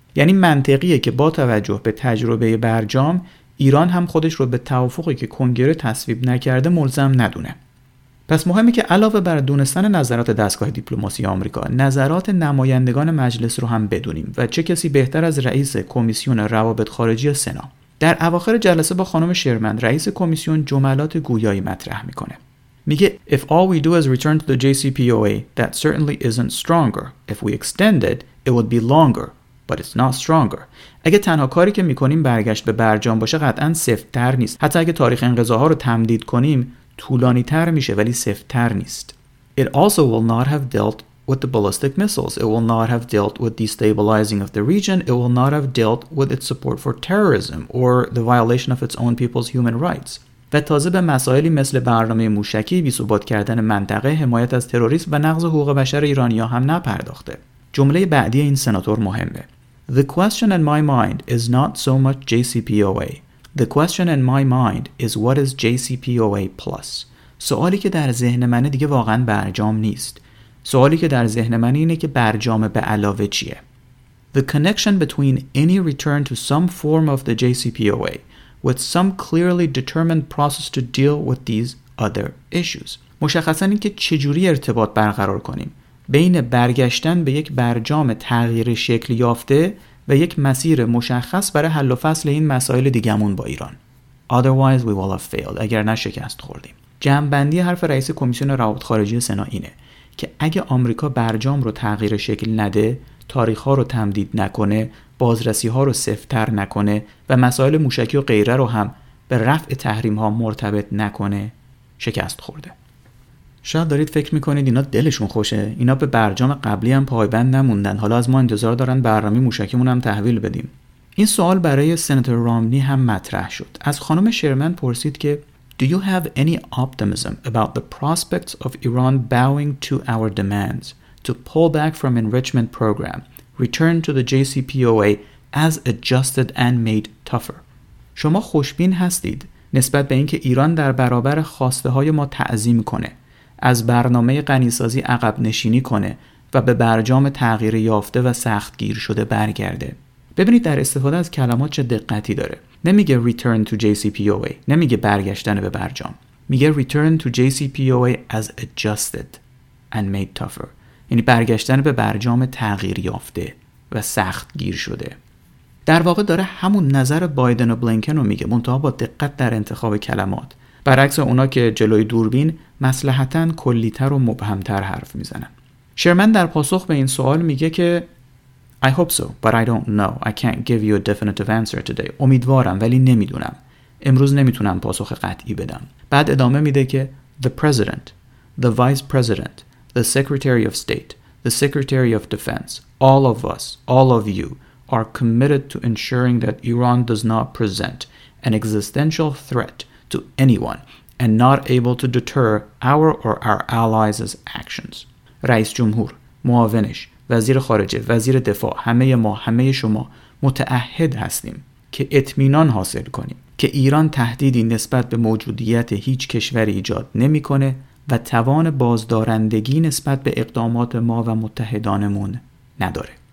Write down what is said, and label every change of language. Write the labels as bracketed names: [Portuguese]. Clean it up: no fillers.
[Persian] یعنی منطقیه که با توجه به تجربه برجام، ایران هم خودش رو به توافقی که کنگره تصویب نکرده ملزم ندونه. پس مهمه که علاوه بر دونستن نظرات دستگاه دیپلماسی آمریکا، نظرات نمایندگان مجلس رو هم بدونیم، و چه کسی بهتر از رئیس کمیسیون روابط خارجی سنا. در اواخر جلسه با خانم شرمن، رئیس کمیسیون جملات گویایی مطرح میکنه. میگه [English] If all we do is return to the JCPOA, that certainly isn't stronger. If we extend it, it would be longer. But it's not stronger. [Persian] اگه تنها کاری که میکنیم برگشت به برجام باشه، قطعاً سفت‌تر نیست. حتی اگه تاریخ انقضاها رو تمدید کنیم، طولانی تر میشه ولی سفت‌تر نیست. [English] It also will not have dealt with the ballistic missiles. It will not have dealt with destabilizing of the region. It will not have dealt with its support for terrorism or the violation of its own people's human rights. [Persian] و تازه به مسائلی مثل برنامه موشکی، بی‌ثبات کردن منطقه، حمایت از تروریسم و نقض حقوق بشر ایرانیا هم نپرداخته. جمله بعدی این سناتور مهمه. [English] The question in my mind is not so much JCPOA. The question in my mind is what is JCPOA plus. [Persian] سوالی که در ذهن من دیگه واقعا برجام نیست. سوالی که در ذهن من اینه که برجام به علاوه چیه. [English] The connection between any return to some form of the JCPOA with some clearly determined process to deal with these other issues. [Persian] مشخصا اینکه چجوری ارتباط برقرار کنیم بین برگشتن به یک برجام تغییر شکل یافته و یک مسیر مشخص برای حل و فصل این مسائل دیگمون با ایران. [English] Otherwise we will have failed. [Persian] اگر نشکست خوردیم. جمع‌بندی حرف رئیس کمیسیون روابط خارجی سنا اینه که اگه آمریکا برجام رو تغییر شکل نده، تاریخ ها رو تمدید نکنه، بازرسی ها رو سفت‌تر نکنه و مسائل موشکی و غیره رو هم به رفع تحریم ها مرتبط نکنه، شکست خورده. شاید دارید فکر میکنید اینا دلشون خوشه، اینا به برجام قبلی هم پایبند نموندن، حالا از ما انتظار دارن برنامه موشکیمون هم تحویل بدیم. این سوال برای سناتور رامنی هم مطرح شد. از خانم شرمن پرسید که [English] Do you have any optimism about the prospects of Iran bowing to our demands to pull back from enrichment program, return to the JCPOA as adjusted and made tougher. [Persian] شما خوشبین هستید نسبت به اینکه ایران در برابر خواسته های ما تعظیم کنه، از برنامه غنی‌سازی عقب نشینی کنه و به برجام تغییر یافته و سخت گیر شده برگرده. ببینید در استفاده از کلمات چه دقتی داره. نمیگه [English] return to JCPOA، [Persian] نمیگه برگشتن به برجام، میگه [English] return to JCPOA as adjusted and made tougher، [Persian] یعنی برگشتن به برجام تغییر یافته و سخت گیر شده. در واقع داره همون نظر بایدن و بلینکن رو میگه، منتها با دقت در انتخاب کلمات، برعکس اونا که جلوی دوربین مصلحتاً کلیتر و مبهمتر حرف میزنن. شرمن در پاسخ به این سوال میگه که [English] I hope so, but I don't know. I can't give you a definitive answer today. [Persian] امیدوارم ولی نمیدونم. امروز نمیتونم پاسخ قطعی بدم. بعد ادامه میده که [English] The President, the Vice President, the Secretary of State, the Secretary of Defense, all of us, all of you are committed to ensuring that Iran does not present an existential threat to anyone and not able to deter our or our allies' actions. [Persian] رئیس جمهور، معاونش، وزیر خارجه، وزیر دفاع، همه ما، همه شما متعهد هستیم که اطمینان حاصل کنیم که ایران تهدیدی نسبت به موجودیت هیچ کشوری ایجاد نمی‌کنه و توان بازدارندگی نسبت به اقدامات ما و متحدانمون نداره.